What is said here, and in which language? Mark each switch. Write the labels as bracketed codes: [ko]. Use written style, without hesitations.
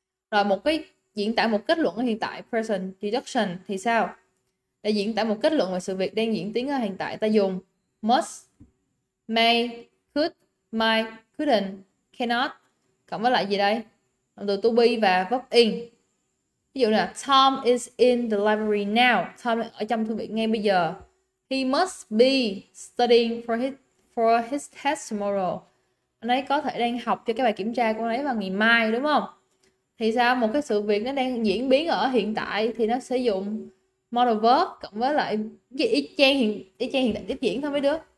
[vi] Rồi một cái diễn tả một kết luận ở hiện tại, present deduction thì sao? Để diễn tả một kết luận về sự việc đang diễn tiến ở hiện tại, ta dùng must, may, could, might, couldn't, cannot cộng với lại gì đây? Động từ to be và verb in. Ví dụ là [en] Tom is in the library now. Tom [vi] ở trong thư viện ngay bây giờ. [en] He must be studying for his test tomorrow. [vi] Anh ấy có thể đang học cho cái bài kiểm tra của anh ấy vào ngày mai, đúng không? Thì sao? Một cái sự việc nó đang diễn biến ở hiện tại thì nó sử dụng modal verb cộng với lại cái y chang hiện tại tiếp diễn thôi mấy đứa.